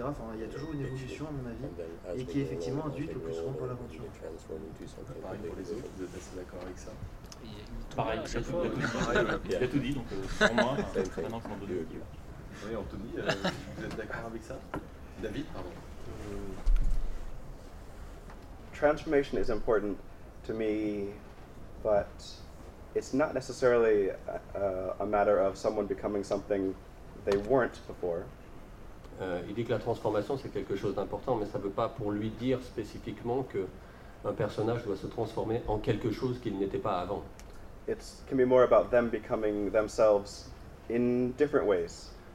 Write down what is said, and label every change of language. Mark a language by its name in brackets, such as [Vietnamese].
[French] Enfin, il y a toujours une évolution, à mon avis, et qui est effectivement induite le plus souvent par l'aventure. Pareil pour les autres, vous êtes assez d'accord avec ça? Pareil, chaque fois. Il a tout dit, donc pour moi, maintenant que m'en donne. Oui, Anthony, vous êtes d'accord avec ça? David, pardon. [English] Transformation is important to me, but it's not necessarily a matter of someone becoming something they weren't before. [French] Il dit que la transformation c'est quelque chose d'important, mais ça ne veut pas pour lui dire spécifiquement que un personnage doit se transformer en quelque chose qu'il n'était pas avant. [English] It can be more about them becoming themselves in different ways.